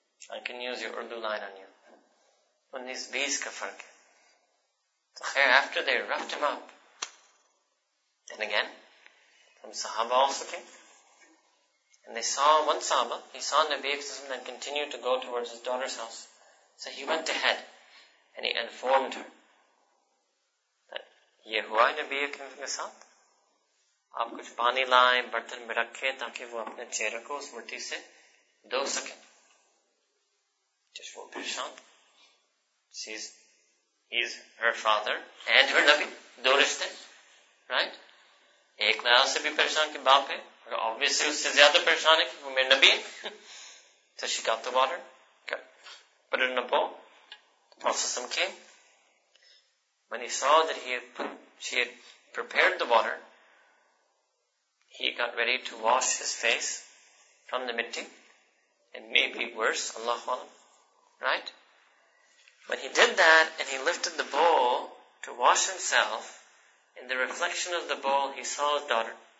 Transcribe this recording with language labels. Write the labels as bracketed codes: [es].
[en] I can use your Urdu line on you. [ur] Unnis bees ka fark hai. [en] So after they roughed him up, then again, some sahaba also came. And they saw one sahaba, he saw Nabi Islam and continued to go towards his daughter's house. So he went ahead and he informed her that Yehua Nabi Islam came to the [ur] آپ کچھ پانی لائیں برتن میں رکھے تاکہ وہ اپنے چہرے کو اس مٹی سے دھو سکے. وہ پریشان. [en] He's her father and her nabi, [ur] دو رشتے, [en] right? [ur] ایک لحاظ سے بھی پریشان کہ باپ ہے, اور obviously اس سے زیادہ پریشان ہے کہ وہ میرے نبی ہے. [en] So she got the water, put it in a bowl, also some came. When he saw that she had prepared the water, he got ready to wash his face from the mitti. It may be worse, Allah Allah. Right? When he did that and he lifted the bowl to wash himself, in the reflection of the bowl he saw his daughter.